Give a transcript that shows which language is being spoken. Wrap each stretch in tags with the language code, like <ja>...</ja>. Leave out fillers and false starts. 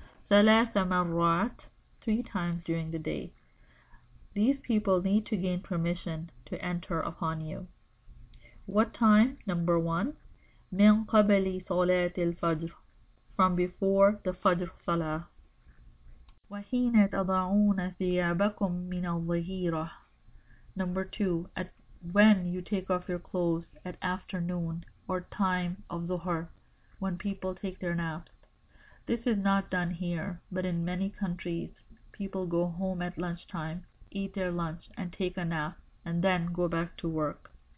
<ar>ثلاث مرات,</ar> <en>three times during the day. These people need to gain permission to enter upon you. What time? Number one.</en> <ar>من قبل صلاة الفجر,</ar> <en>from before the Fajr Salah.</en> <ar>وحين تضعون ثيابكم من الظهيرة.</ar> <en>Number two, at when you take off your clothes at afternoon or time of Zuhr, when people take their naps. This is not done here, but in many countries, people go home at lunchtime, eat their lunch and take a nap, and then go back to work.</en>